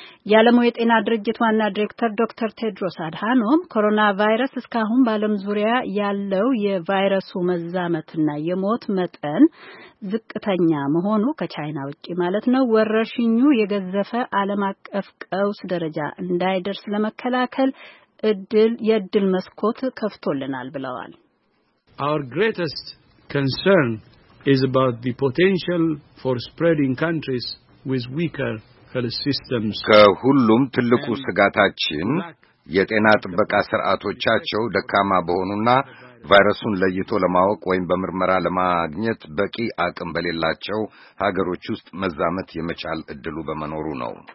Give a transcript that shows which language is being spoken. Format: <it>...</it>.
<am>የዓለሙ የጤና ድርጅት ዋና ዲሬክተር ዶክተር ቴድሮስ አድሃኖም ኮሮና ቫይረስ እስካሁን በዓለም ዙሪያ ያለው የቫይረሱ መዛመትና የሞት መጠን ዝቅተኛ መሆኑ ከቻይና ውጪ ማለት ነው ወረርሽኙ የገዘፈ ዓለም አቀፍ ቀውስ ደረጃ እንዳይደርስ ለመከላከል የእድል መስኮት ከፍቶልናል ብለዋል።</am> <en>Our greatest concern is about the potential for spreading countries with weaker</en> <am>ከሁሉም ትልቁ ስጋታችን የጤና ጥበቃ ስርዓቶቻቸው ደካማ በሆኑና ቫይረሱን ለይቶ ለማወቅ ወይም በምርመራ ለማግኘት በቂ አቅም በሌላቸው ሀገሮች ውስጥ መዛመት የመቻል እድሉ በመኖሩ ነው።</am>